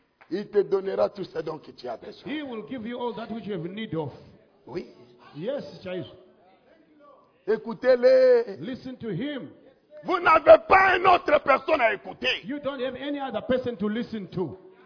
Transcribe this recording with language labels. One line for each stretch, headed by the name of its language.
French: Il te donnera tout ce dont tu as besoin.
English: He will give you all that which you have need of.
French: Oui.
English: Yes, child.
French: Écoutez-le.
English: Listen to him.
French: Vous n'avez pas une autre personne à écouter.
English: You don't have any other person to listen to.